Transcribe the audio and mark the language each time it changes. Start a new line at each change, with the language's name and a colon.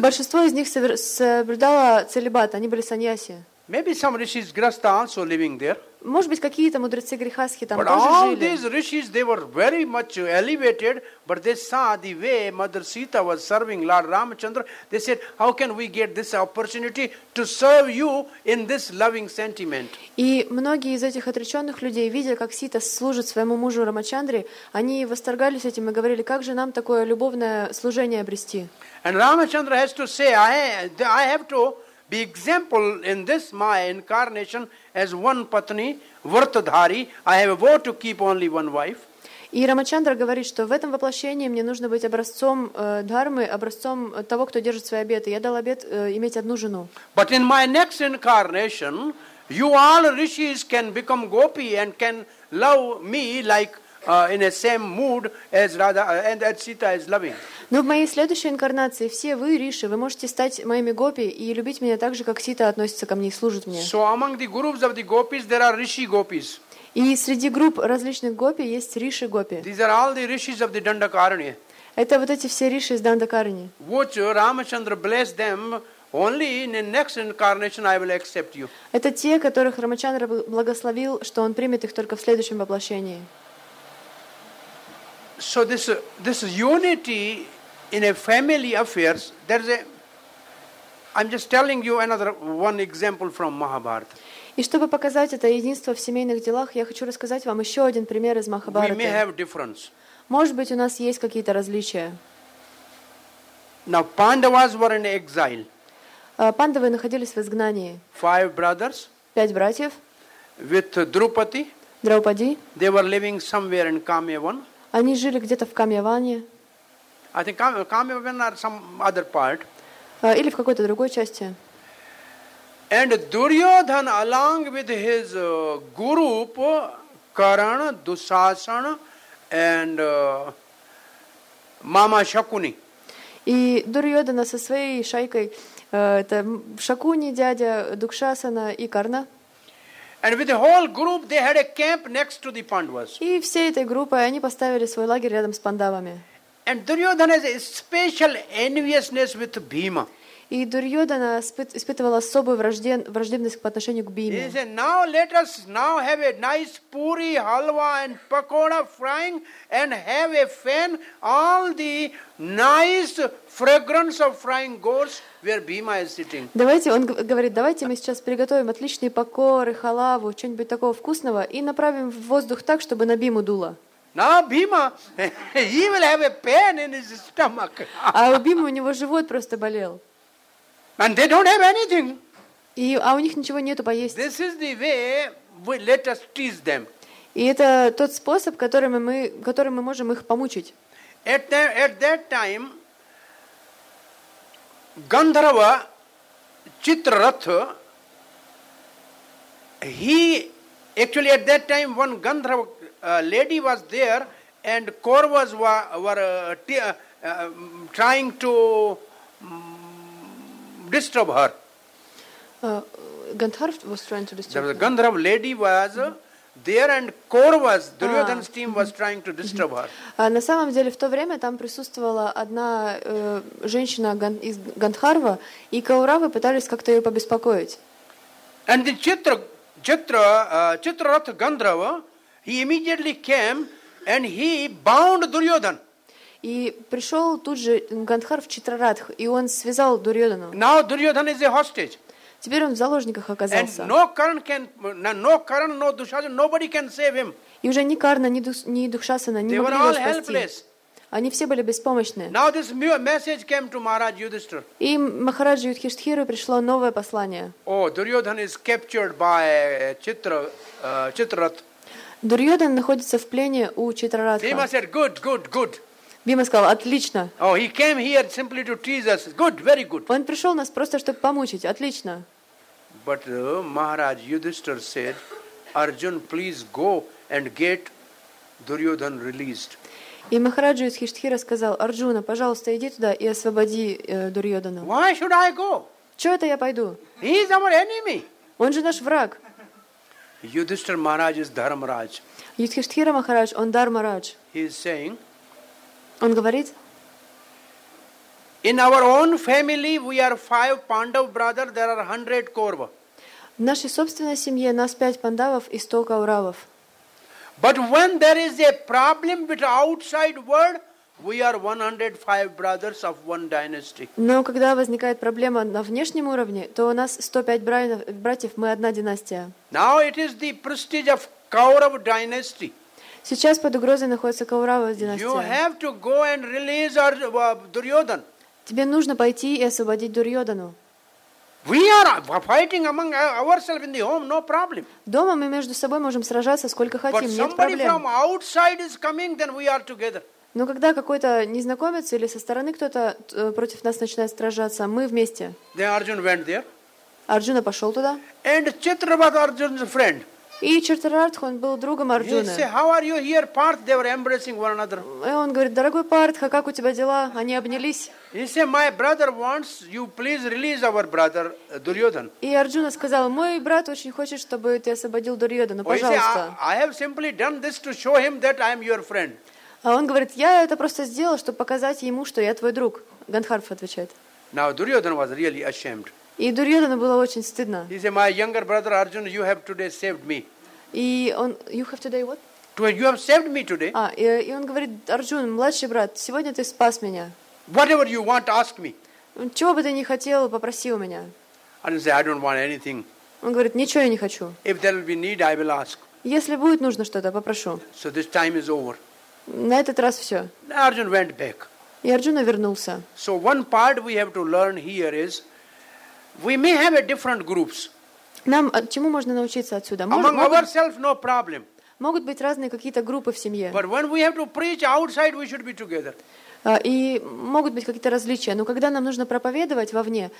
Russian: Большинство из них соблюдало целибат, они были саньяси.
English: Maybe some rishis grihastha also living there.
Russian: Может быть, какие-то мудрецы грихасхи там
English: but
Russian: тоже
English: all
Russian: жили.
English: These rishis, they were very much elevated, but they saw the way Mother Sita was serving Lord Ramachandra. They said, how can we get this opportunity to serve you in this loving sentiment?
Russian: И многие из этих отреченных людей, видя, как Сита служит своему мужу Рамачандре, они восторгались этим и говорили, как же нам такое любовное служение обрести?
English: And Ramachandra has to say, I have to be example in this my incarnation as one patni, vartadhari. I have a vow to keep only one wife.
Russian: И Рамачандра говорит, что в этом воплощении мне нужно быть образцом дхармы, образцом того, кто держит свои обеты. Я дал обет иметь одну жену.
English: But in my next incarnation, you all rishis can become gopi and can love me like in the same mood as Radha and as Sita is loving.
Russian: Но в моей следующей инкарнации все вы, риши, вы можете стать моими гопи и любить меня так же, как Сита относится ко мне и служит мне.
English: So among the groups of the gopis, there are rishi gopis.
Russian: И среди групп различных гопи есть риши гопи.
English: These are all the rishis of the Dandakaranya.
Russian: Это вот эти все риши из Дандакарни.
English: What Ramachandra bless them. Only in the next incarnation I will accept you.
Russian: Это те, которых Рамачандра благословил, что он примет их только в следующем воплощении.
English: So this unity in a family affairs, I'm just telling you another one example from Mahabharata.
Russian: И чтобы показать это единство в семейных делах, я хочу рассказать вам еще один пример из Махабхараты.
English: We may have difference.
Russian: Может быть, у нас есть какие-то различия.
English: Now Pandavas were in exile.
Russian: Пандавы находились в изгнании.
English: Five brothers.
Russian: Пять братьев.
English: With Drupadi.
Russian: Драупади.
English: They were living somewhere in Kamyavan.
Russian: Они жили где-то в Камьяване.
English: I think Камьяван or some other part.
Russian: Или в какой-то другой части.
English: And Duryodhan along with his group, Karan, Dushasan and Mama Shakuni.
Russian: И Дурьодхана со своей шайкой, это Шакуни, дядя, Дукшасана и Карна.
English: And with the whole group, they had a camp next to the Pandavas.
Russian: И всей этой группой они поставили свой лагерь рядом с Пандавами.
English: And Duryodhana has a special enviousness with Bhima.
Russian: И Дурьодана испытывал особую враждебность по отношению к Биме.
English: He said, now let us now have a nice puri, halwa and pakoda frying and have a fan. All the nice fragrance of frying goes where Bhima is sitting.
Russian: Давайте, он говорит, давайте мы сейчас приготовим отличные пакоры, халаву, что-нибудь такого вкусного и направим в воздух так, чтобы на Биму дуло.
English: Now Bhima, he will have a pain in his stomach.
Russian: А у Бимы у него живот просто болел.
English: And they don't have anything.
Russian: А у них ничего нету поесть.
English: This is the way we let us tease them.
Russian: И это тот способ, которым мы можем их помучить.
English: At that time, Gandharva Chitrarath, one Gandharva lady was there, and Kauravas were trying to disturb her. Gandharva was trying to disturb her. Gandharva lady was there, and Kauravas, Duryodhana's team was trying to disturb her.
Russian: На самом деле, в то время там присутствовала одна женщина из Гандхарва, и Кауравы пытались как-то ее побеспокоить.
English: And the Chitrarath Gandharva, he immediately came and he bound Duryodhana.
Russian: И пришел тут же Гандхарв Читрарадх, и он связал Дурьодхану.
English: Now Duryodhana is a hostage.
Russian: Теперь он в заложниках оказался.
English: And no Karna, no Dushasana, nobody can save him.
Russian: И уже ни Карна, ни Духшасана не могли его спасти. Они все были беспомощны.
English: Now this message came to Maharaj Yudhishthira.
Russian: И Махараджа Юдхиштхиру пришло новое послание.
English: Oh, Duryodhana is captured by Chitrarath.
Russian: Дурьодхан находится в плене у Читрарадха.
English: Bhima said, good.
Russian: Бима сказал, отлично.
English: Oh, he came here simply to tease us. Good, very good.
Russian: Он пришел нас просто, чтобы помучить. Отлично.
English: But Maharaj Yudhishthira said, Arjun, please go and get Duryodhan released.
Russian: И Махараджа Юдхиштхира сказал, Арджуна, пожалуйста, иди туда и освободи Дурьодхана.
English: Why should I go?
Russian: Чего это я пойду?
English: He is our enemy.
Russian: Он же наш враг.
English: Yudhishthira Maharaj is Dharmaraj.
Russian: Юдхиштхира Махарадж, он Дармарадж.
English: He is saying,
Russian: он говорит,
English: in our own family we are 5 Pandav brothers, there are 100 Kaurava.
Russian: В нашей собственной семье нас 5 пандавов и 100 Кауравов.
English: But when there is a problem with outside world, we are 105 brothers of one dynasty.
Russian: Но когда возникает проблема на внешнем уровне, то у нас 105 братьев, мы одна династия.
English: Now it is the prestige of Kaurava dynasty.
Russian: Сейчас под угрозой находится Каурава династия.
English: You have to go and release our Duryodhan.
Russian: Тебе нужно пойти и освободить Дурьодхану.
English: We are fighting among ourselves in the home, no problem.
Russian: Дома мы между собой можем сражаться сколько хотим, нет проблем.
English: But somebody from outside is coming, then we are together.
Russian: Но когда какой-то незнакомец или со стороны кто-то против нас начинает сражаться, мы вместе.
English: Then Arjuna went there.
Russian: Арджуна пошел туда.
English: And Chitrarath, Arjuna's friend.
Russian: И Читрарадх, он был другом Арджуны.
English: He said, "How are you here, Partha?" They were embracing one another.
Russian: И он говорит, дорогой Партха, как у тебя дела? Они обнялись.
English: He said, "My brother wants you please release our brother Duryodhan."
Russian: И Арджуна сказал, мой брат очень хочет, чтобы ты освободил Дурьодхана, пожалуйста.
English: I have simply done this to show him that I am your friend.
Russian: А он говорит, я это просто сделал, чтобы показать ему, что я твой друг. Гандхарв отвечает.
English: Now Duryodhana was really ashamed.
Russian: И Дурьодхану было очень стыдно.
English: He said, "My younger brother Arjuna, you have today saved me."
Russian: И он,
English: you have today what? Today you have saved me today.
Russian: А и он говорит, Арджун, младший брат, сегодня ты спас меня.
English: Whatever you want, ask me.
Russian: Чего бы ты ни хотел, попроси у меня.
English: Arjuna said, "I don't want anything."
Russian: Он говорит, ничего я не хочу.
English: If there will be need, I will ask.
Russian: Если будет нужно что-то, попрошу.
English: So this time is over.
Russian: На этот раз все.
English: Arjuna went back.
Russian: И Арджуна вернулся.
English: So one part we have to learn here is, we may have a different groups.
Russian: Нам чему можно научиться отсюда?
English: Among ourselves, no problem.
Russian: Могут быть разные какие-то группы в семье.
English: But when we have to preach outside, we should be together.
Russian: И могут быть какие-то различия, но когда нам нужно проповедовать вовне,